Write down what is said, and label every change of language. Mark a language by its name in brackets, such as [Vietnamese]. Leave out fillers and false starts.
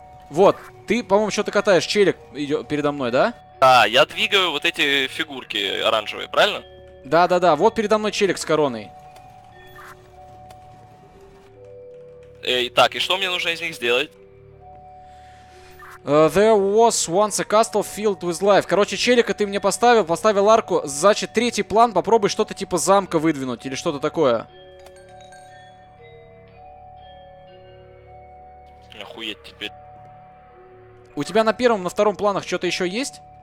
[Russian] Вот, ты, по-моему, что-то катаешь, челик передо мной, да? Да, я двигаю вот эти фигурки оранжевые, правильно? Да-да-да, вот передо мной челик с короной. Так, и что мне нужно из них сделать? [English] There was once a castle filled with life. [Russian] Короче, челика ты мне поставил арку. Значит, третий план, попробуй что-то типа замка выдвинуть или что-то такое. Охуеть теперь. У тебя на первом, на втором планах что-то еще есть?